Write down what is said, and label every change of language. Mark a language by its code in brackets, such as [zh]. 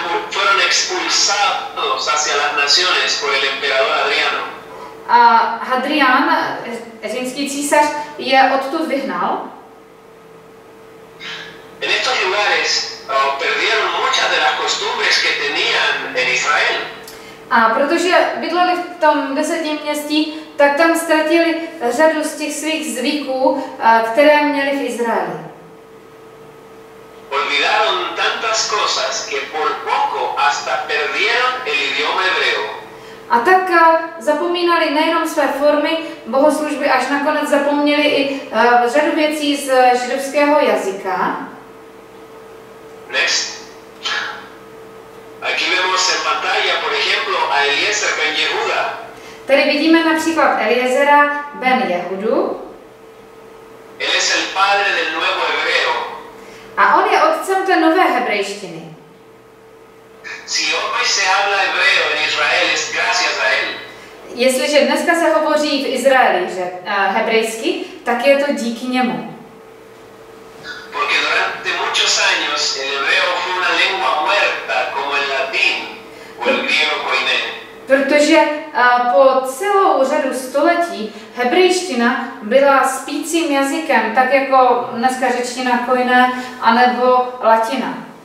[es] Fueron expulsados hacia las naciones por el emperador Adriano. [cs] A Hadrián, římský císař, je odtud vyhnal. [es] En estos lugares perdieron muchas de las costumbres que tenían en Israel. [cs] A protože bydleli v tom desetém městí, tak tam ztratili řadu z těch svých zvyků, které měli v Izraeli. [es] Olvidaron tantas cosas que por poco hasta perdieron el idioma hebreo. [cs] A tak zapomínali nejenom své formy bohoslužby, až nakonec zapomněli i řadu věcí z židovského jazyka. [en] Next. [es] Aquí vemos en pantalla, por ejemplo, a Eliezer ben Yehuda. [cs] Tady vidíme například Eliezera ben Yehudu. [es] Él es el padre del nuevo hebreo. [cs] A on je otcem té nové hebrejštiny. [es] Si hoy se habla hebreo en Israel, es gracias a él. [cs] Jestliže dneska se hovoří v Izraeli hebrejsky, tak je to díky němu. [es] Porque durante muchos años el hebreo fue una lengua muerta como el latín o el griego koiné. [cs] Protože po celou řadu století hebrejština byla spícím jazykem, tak jako dneska řečtina koiné anebo latina.